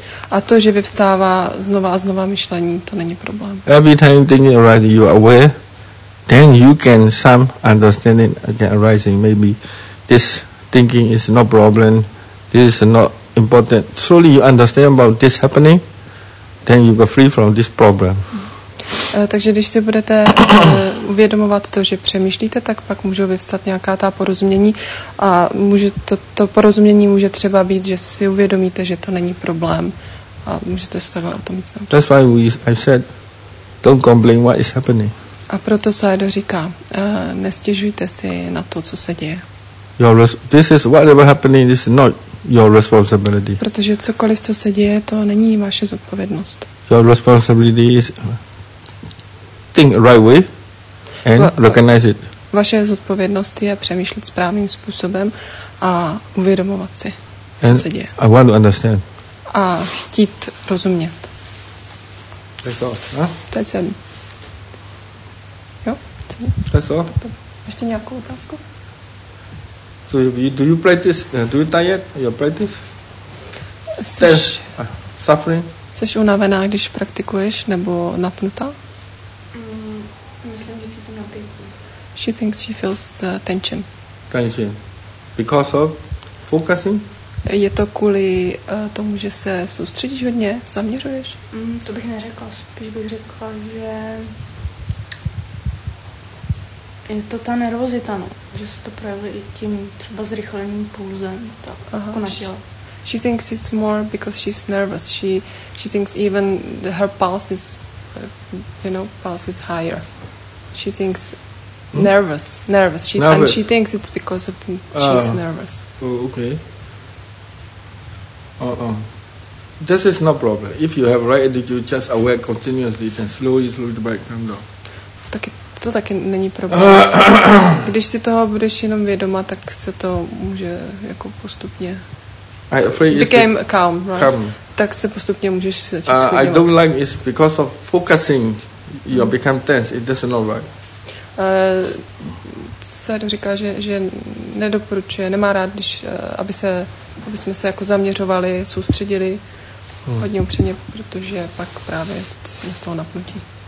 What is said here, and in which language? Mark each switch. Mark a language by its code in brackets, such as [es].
[cs] A to, že vyvstává znova a znova myšlení, to není problém. [en] Every time thinking arises, you are aware, then you can some understanding again arising. Maybe this thinking is no problem, this is not important. Slowly you understand about this happening, then you go free from this problem. [cs] Takže když si budete uvědomovat to, že přemýšlíte, tak pak můžou vyvstat nějaká ta porozumění a může to porozumění může třeba být, že si uvědomíte, že to není problém a můžete se takhle o tom víc naučit. [en] That's why I said, don't complain what is happening. [cs] A proto Sayadaw říká, nestěžujte si na to, co se děje. [en] This is whatever happening, this is not your responsibility. [cs] Protože cokoliv, co se děje, to není vaše zodpovědnost. [en] Your responsibility is think right way and recognize it. [cs] Vaše zodpovědnost je přemýšlet správným způsobem a uvědomovat si, co [en] and [cs] se děje. [en] I want to understand. [cs] A chtít rozumět. To je celé. Jo? Ještě nějakou otázku? [en] Do you practice? Do you tired? You practice? [cs] Jseš [en] suffering? [cs] Jseš unavená, když praktikuješ, nebo napnutá? Myslím, že cítím napětí. [en] She thinks she feels tension. Tension. Because of focusing? [cs] Je to kvůli tomu, že se soustředíš hodně, zaměřuješ? To bych neřekla. Spíš bych řekla, že je to ta nervozita, no. Že se to projeví i tím třeba zrychleným pulzem, tak jako na těle. [en] She thinks it's more because she's nervous. She thinks even her pulse is, you know, pulse is higher. She thinks nervous. And she thinks it's because of the, she's nervous. Okay. This is no problem. If you have right attitude, just aware continuously, then slowly the bike come down. [cs] To taky není problém. Když si toho budeš jenom vědoma, tak se to může jako postupně [en] became calm, right? Calm. [cs] Tak se postupně můžeš začít skvědělat. [en] I don't like it because of focusing you become tense. It doesn't all right. [cs] Sayadaw říká, že nedoporučuje, nemá rád, když, aby jsme se jako zaměřovali, soustředili hodně upřeně, protože pak právě jsme z toho napnutí.